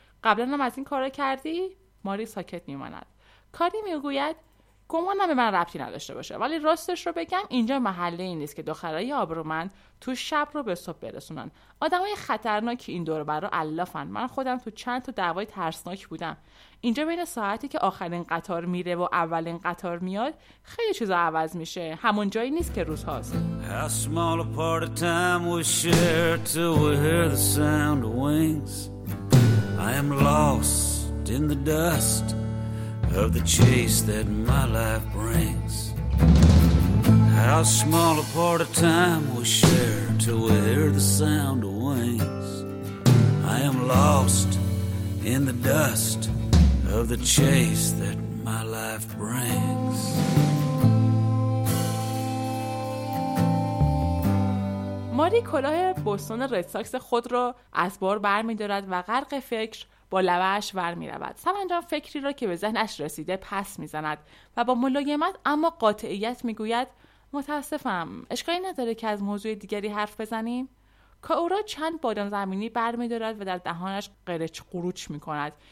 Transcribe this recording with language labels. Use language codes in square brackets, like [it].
[fa] قبلن هم از این کار کردی؟ ماری ساکت می ماند. کاری می گوید گمانم به من ربطی نداشته باشه، ولی راستش رو بگم اینجا محله این نیست که دخترای آبرومند تو شب رو به صبح برسونن. آدم های خطرناکی این دور برا علافن. من خودم تو چند تا دعوای ترسناک بودم. اینجا بین ساعتی که آخرین قطار میره و اولین قطار میاد خیلی چیزا عوض میشه. همون جایی نیست که روز هاست. [en] A small part of time we share till we hear the sound of wings. I am lost in the dust of the chase that my life brings. How small a part of time we share till we hear the sound of wings. I am lost in the dust of the chase that my life brings. [fa] ماری کلاه بوستون ریدساکس خود را از بار بر می دارد و غرق فکر با لبش ور می رود. سرانجام فکری را که به ذهنش رسیده پس می زند و با ملایمت اما قاطعیت می گوید متاسفم، اشکالی نداره که از موضوع دیگری حرف بزنیم؟ کاورا چند بادام زمینی بر می دارد و در دهانش قرچ قروچ می کند.